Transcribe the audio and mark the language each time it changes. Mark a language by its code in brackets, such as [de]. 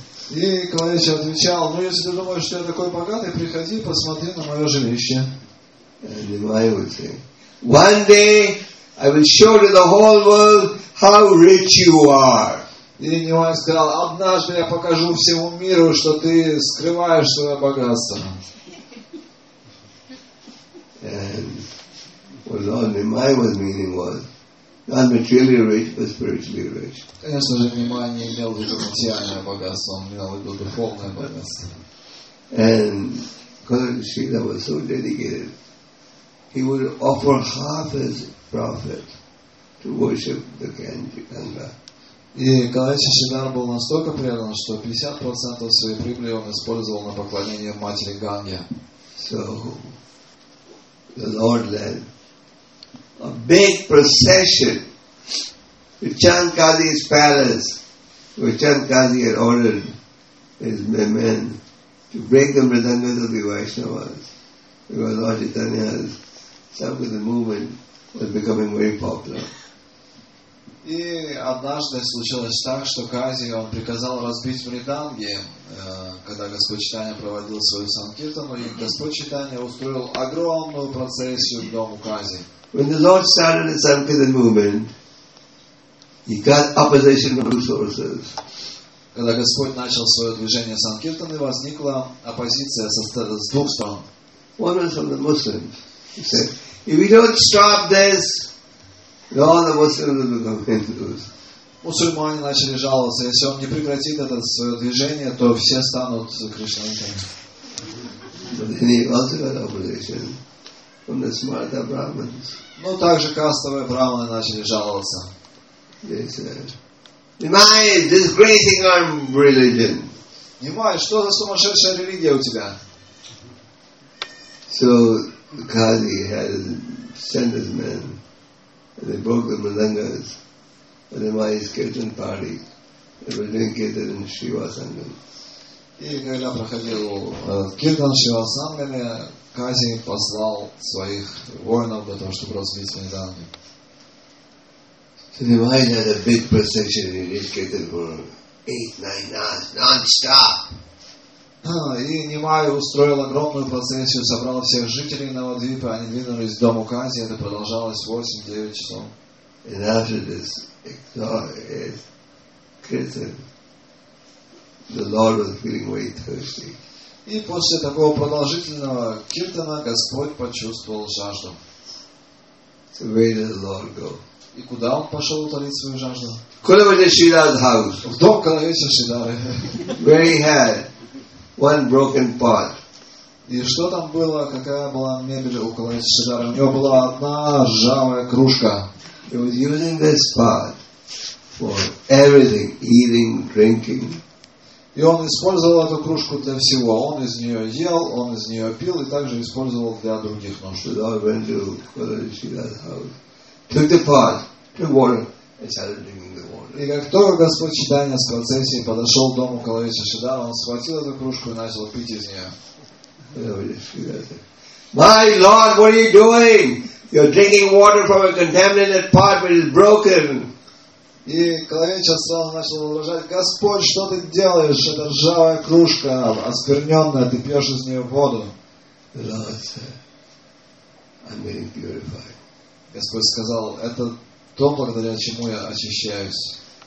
[ru] И Клавесия отвечал, ну если ты думаешь, что я такой богатый, приходи, посмотри на мое жилище. [en] And I would say, one day I will show to the whole world how rich you are. [ru] И Невай сказал, однажды я покажу всему миру, что ты скрываешь свое богатство. [en] And what Lord Nimai was meaning was, not materially rich, but spiritually rich. [ru] Конечно же, Нимай не имел в виду материальное богатство, он имел в виду духовное богатство. [en] And because Shrila was so dedicated, he would offer half his profit to worship the Ganga. [ru] И Калайча Шридар был настолько предан, что 50% своей прибыли он использовал на поклонение матери Ганге. [en] So the Lord led a big procession to Chandkali's palace, where Chandkali had ordered his men to break the mridangas of the Vaishnavas, because Lord Chaitanya's some of the movement was becoming very popular. [ru] И однажды случилось так, что Кази он приказал разбить мриданги, когда Господь Читания проводил свою санкиртану, и Господь Читания устроил огромную процессию к дому Кази. [en] When the Lord started the Sankirtan movement, he got opposition from two sources. [ru] Когда Господь начал свое движение санкиртаны, возникла оппозиция со двух сторон. [en] One was from the Muslims. He said, if we don't stop this, all the Muslims will become Hindus. [ru] Мусульмане начали жаловаться, если он не прекратит это свое движение, то все станут кришнаитами. [en] But then he also got opposition from the smarter Brahmins. [ru] Но также кастовые брахманы начали жаловаться. [en] They said, Nimai, disgracing our religion. [ru] Nimai, что за сумасшедшая религия у тебя? [en] So the Qadi had sent his men and they broke the mridangas at Nimai's kirtan party. They were doing kirtan in Shiva Sangam. [ru] И когда проходил киртан Шива Сангам, Кази послал своих воинов для того, чтобы разбить мриданги. [en] So Nimai had a big procession in his kirtan for 8-9 hours, non-stop. [ru] И Нимай устроил огромную процессию, собрал всех жителей Навадвипа, они двинулись в дом Укази, это продолжалось 8-9 часов. И после этого кирта, Господь был очень [en] thirsty. [ru] И после такого продолжительного киртана Господь почувствовал жажду. [en] So where did the Lord go? [ru] И куда он пошел утолить свою жажду? [en] Кулавадишидар's house. [ru] В дом Калавеса Шидары. [en] Where he had one broken pot. [ru] И что там было, какая была мебель у Калавеса Шидары? У него была одна ржавая кружка. [en] He was using this pot for everything, eating, drinking. [ru] И он использовал эту кружку для всего. Он из нее ел, он из нее пил и также использовал для других нужд. [en] The Lord went to Kulavadishidara's house, took the pot, took water, and started drinking the water. [ru] И как только Господь Читания с процессией подошел к дому Кулавадишидары, он схватил эту кружку и начал пить из нее. [en] My Lord, what are you doing? You're drinking water from a contaminated pot which is broken. [ru] И Калавеча сразу начал возражать, Господь, что ты делаешь? Это ржавая кружка, оскверненная, ты пьешь из нее воду. Господь сказал, это то, благодаря чему я очищаюсь.